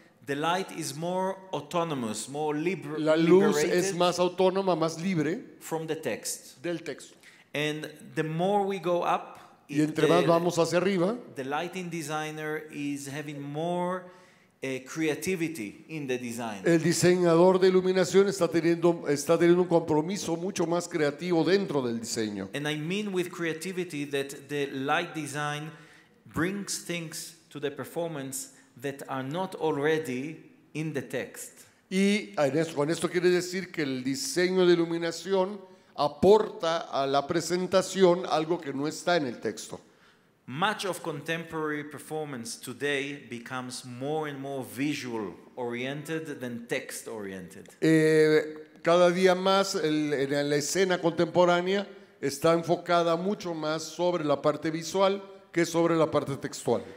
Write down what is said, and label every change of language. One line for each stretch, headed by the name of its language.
English: the light is more autonomous, more libre.
Spanish: La luz es más autónoma, más libre.
English: From the text.
Spanish: Del texto.
English: And the more we go up,
Spanish: y entre más vamos hacia arriba,
English: the lighting designer is having more creativity in the design.
Spanish: El diseñador de iluminación está teniendo un compromiso mucho más creativo dentro del diseño.
English: And I mean with creativity that the light design brings things to the performance that are not already in the text.
Spanish: Y con esto quiere decir que el diseño de iluminación aporta a la presentación algo que no está en el texto.
English: Much of contemporary performance today becomes more and more visual oriented than text oriented.
Spanish: Cada día más en la escena contemporánea está enfocada mucho más sobre la parte visual que sobre la parte textual.